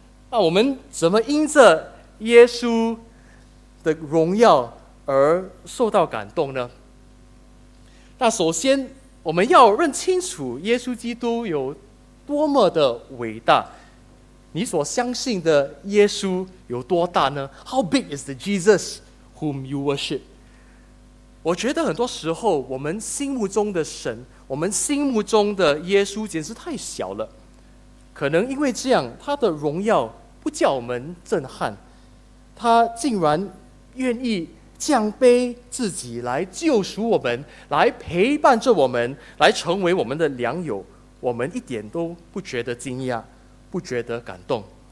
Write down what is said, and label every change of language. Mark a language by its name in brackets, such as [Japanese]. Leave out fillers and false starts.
[Chinese] 那我们怎么因着耶稣的荣耀而受到感动呢？那首先我们要认清楚耶稣基督有多么的伟大。你所相信的耶稣有多大呢？ [English] How big is the Jesus whom you worship? [Chinese] 我觉得很多时候我们心目中的神，我们心目中的耶稣简直太小了。可能因为这样，他的荣耀不叫我们震撼。他竟然愿意降卑自己来救赎我们，来陪伴着我们，来成为我们的良友，我们一点都不觉得惊讶，不觉得感动。